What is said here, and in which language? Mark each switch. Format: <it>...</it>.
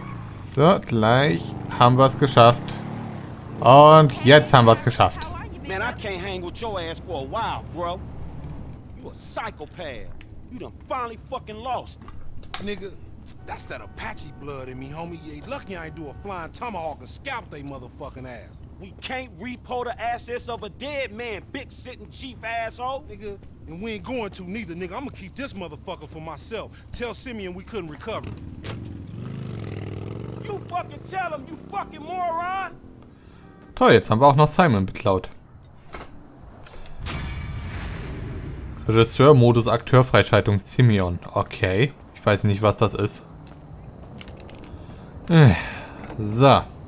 <de>So, gleich haben wir es geschafft. Und jetzt haben wir es geschafft.</de> <en>Man, I can't hang with your ass for a while, bro. You a psychopath. You done finally fucking lost it. Nigga, that's that Apache blood in me, homie. You ain't lucky I ain't do a flying tomahawk and scalp they motherfucking ass. We can't repo the assets of a dead man, big sitting chief asshole. Nigga, and we ain't going to neither, nigga. I'm gonna keep this motherfucker for myself. Tell Simeon we couldn't recover. You fucking tell him, you fucking moron!</en> <de>Toll, jetzt haben wir auch noch Simon beklaut. Regisseur, Modus, Akteur, Freischaltung, Simeon. Okay, ich weiß nicht, was das ist. So.</de>